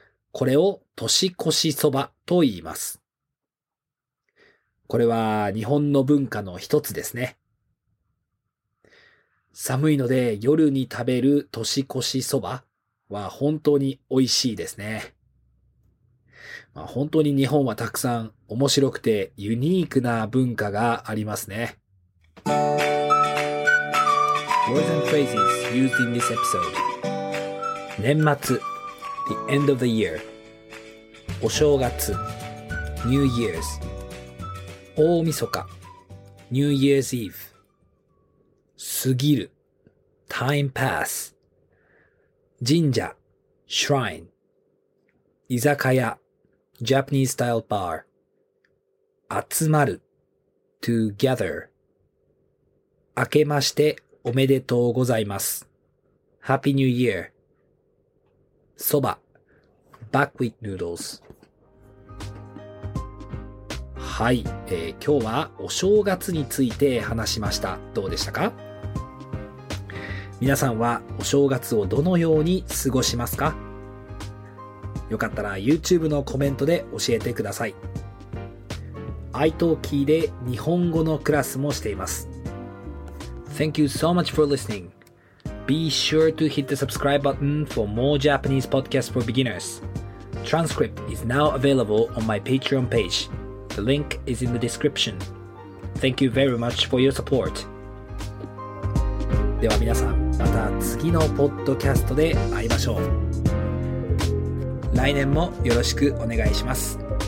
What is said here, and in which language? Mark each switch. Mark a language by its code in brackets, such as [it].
[ja] これを年越し蕎麦と言います。これは日本の文化の一つですね。寒いので夜に食べる年越しそばは本当に美味しいですね。まあ、本当に日本はたくさん面白くてユニークな文化がありますね。 [en] Words and phrases used in this episode. 年末 The end of the year. お正月 New Year's. 大晦日 New Year's Eve 過ぎる Time Pass 神社 Shrine 居酒屋 Japanese Style Bar 集まる Together [ja] 明けましておめでとうございます [en] Happy New Year 蕎麦 Buckwheat Noodles [ja] はい、今日はお正月について話しました。どうでしたか？皆さんはお正月をどのように過ごしますか？よかったら YouTube のコメントで教えてください。iTalkie で日本語のクラスもしています。 [en] Thank you so much for listening. Be sure to hit the subscribe button for more Japanese podcasts for beginners. Transcript is now available on my Patreon page. The link is in the description. Thank you very much for your support. [ja] では皆さん、また次のポッドキャストで会いましょう。来年もよろしくお願いします。